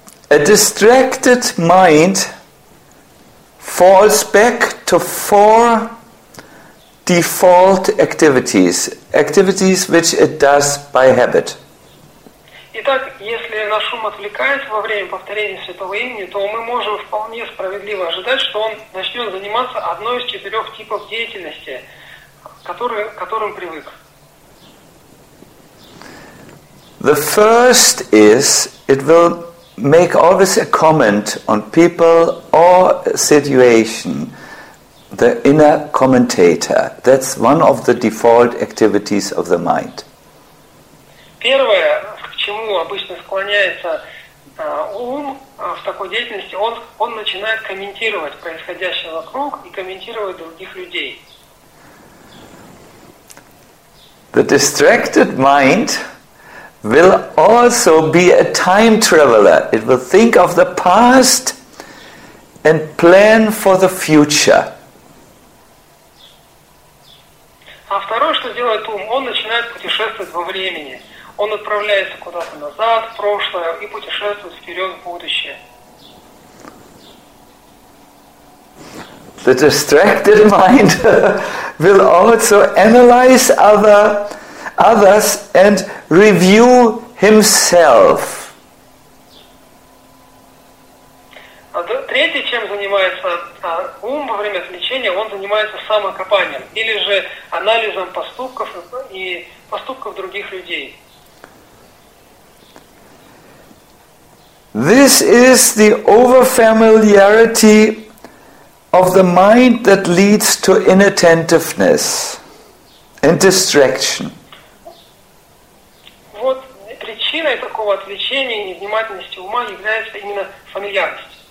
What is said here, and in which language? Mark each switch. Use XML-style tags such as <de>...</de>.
<en>A distracted mind falls back to 4 default activities which it does by habit.</en> <ru>Итак, если наш ум отвлекается во время повторения святого имени, то мы можем вполне справедливо ожидать, что он начнет заниматься одной из 4 типов деятельности, которым привык.</ru> <en>The first is it will make always a comment on people or situation, the inner commentator. That's one of the default activities of the mind.</en> <ru>Первое, к чему обычно склоняется ум в такой деятельности, он начинает комментировать происходящее вокруг и комментировать других людей.</ru> <en>The distracted mind will also be a time traveler. It will think of the past and plan for the future.</en> <ru>А второе, что делает ум, он начинает путешествовать во времени. Он отправляется куда-то назад, в прошлое, и путешествует вперед в будущее.</ru> <en>The distracted mind will also analyze others and review himself.</en> <ru>Третье, чем занимается ум во время отвлечения, он занимается самокопанием или же анализом поступков и поступков других людей.</ru> <en>This is the overfamiliarity of the mind that leads to inattentiveness and distraction.</en> <ru>Причиной такого отвлечения и невнимательности ума является именно фамильярность.</ru>